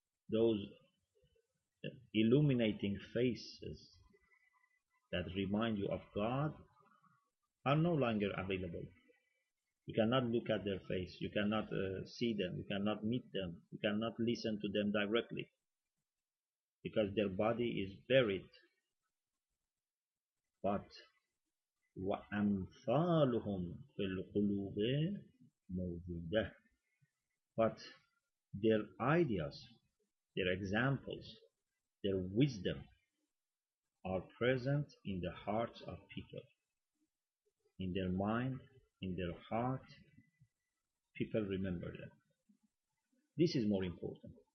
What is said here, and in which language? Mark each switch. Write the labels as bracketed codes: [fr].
[en] Those illuminating faces that remind you of God are no longer available. You cannot look at their face. You cannot see them. You cannot meet them. You cannot listen to them directly because their body is buried. [ar] But وَأَمْثَالُهُمْ فِي الْقُلُوبِ مَوْجُودَةٌ. [en] But their ideas, their examples, their wisdom are present in the hearts of people, in their mind, in their heart. People remember them. This is more important.